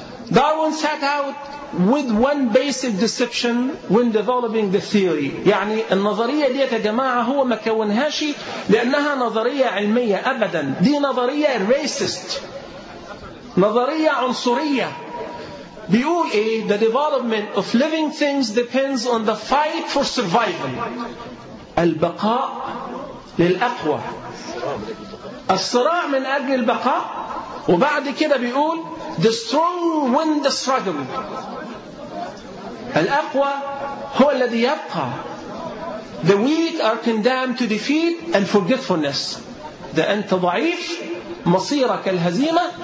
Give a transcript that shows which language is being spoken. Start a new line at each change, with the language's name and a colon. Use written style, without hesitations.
English: Darwin set out with one basic deception when developing the theory.
Arabic: يعني النظرية دي يا جماعة هو ما كونهاش لأنها نظرية علمية أبدا، دي نظرية racist، نظرية عنصرية. بيقول إيه؟
English: The development of living things depends on the fight for survival.
Arabic: البقاء للأقوى، الصراع من أجل البقاء. وبعد كده بيقول
English: the strong win the struggle.
Arabic: الأقوى هو الذي يبقى.
English: The weak are condemned to defeat and forgetfulness.
Arabic: إذا أنت ضعيف مصيرك الهزيمة